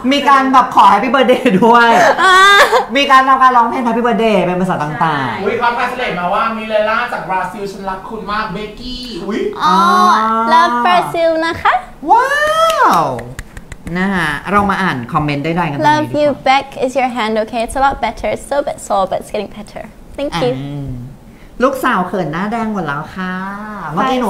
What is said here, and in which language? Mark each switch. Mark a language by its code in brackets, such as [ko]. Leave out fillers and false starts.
[th] มีการแบบขอแฮปปี้เบิร์ธเดย์ด้วยมีการทำการร้องเพลงแฮปปี้เบิร์ธเดย์เป็นภาษาต่างๆ อุ ้ยคอนเสิร์ตมาว่ามิเรล่าจากบราซิลฉันรักคุณมากเบกกี้ อุ้ย รักบราซิลนะคะ ว้าวนะฮะเรามาอ่านคอมเมนต์ได้ๆกันตรงนี้ [en] Love you back is your hand okay it's a lot better so bit sore but it's getting better thank you [th] ลูกสาวเขินหน้าแดงหมดแล้วค่ะเมื่อกี้หนู